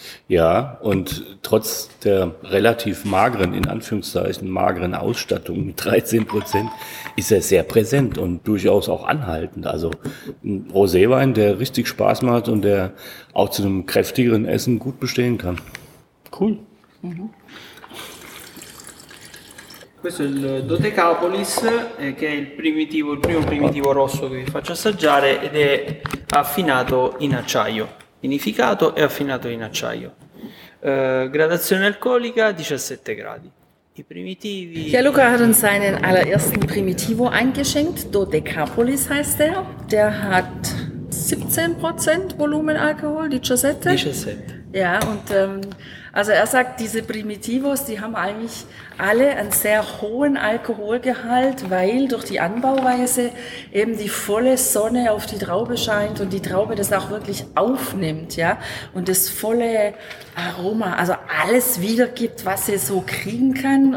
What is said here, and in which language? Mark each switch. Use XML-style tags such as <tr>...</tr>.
<de>Ja, und trotz der relativ mageren, in Anführungszeichen mageren Ausstattung mit 13% ist er sehr präsent und durchaus auch anhaltend. Also ein Roséwein, der richtig Spaß macht und der auch zu einem kräftigeren Essen gut bestehen kann. Cool.</de> <it>Questo è il Dodecapolis, che è il primo primitivo rosso che vi faccio assaggiare, ed è affinato in acciaio, vinificato e affinato in acciaio. Gradazione alcolica 17 gradi. I primitivi.</it> <de>Ja, Luca hat uns seinen allerersten Primitivo eingeschenkt. Dodecapolis heißt der. Der hat 17% Volumenalkohol, die Giosette. 17. Ja, und also er sagt, diese Primitivos, die haben eigentlich alle einen sehr hohen Alkoholgehalt, weil durch die Anbauweise eben die volle Sonne auf die Traube scheint und die Traube das auch wirklich aufnimmt, ja, und das volle Aroma, also alles wiedergibt, was sie so kriegen kann.</de>